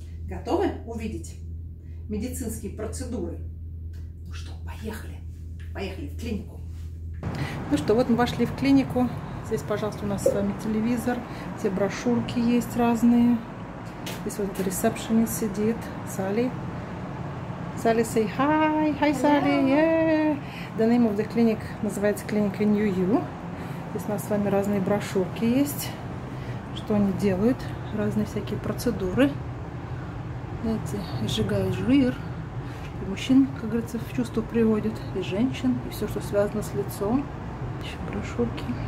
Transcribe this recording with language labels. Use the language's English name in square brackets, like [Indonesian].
[Russian] Готовы увидеть медицинские процедуры? Ну что, поехали. Поехали в клинику. Ну что, вот мы вошли в клинику. Здесь, пожалуйста, у нас с вами телевизор. Все брошюрки есть разные. Здесь вот ресепшенист сидит. Салли. [English] Салли, say hi. Hi, Салли. Yeah. The name of the clinic [Russian] называется клиника [English] New You. [Russian] Здесь у нас с вами разные брошюрки есть. Что они делают? Разные всякие процедуры. Знаете, сжигает жир, и мужчин, как говорится, в чувство приводит, и женщин, и все, что связано с лицом. Еще брошюрки.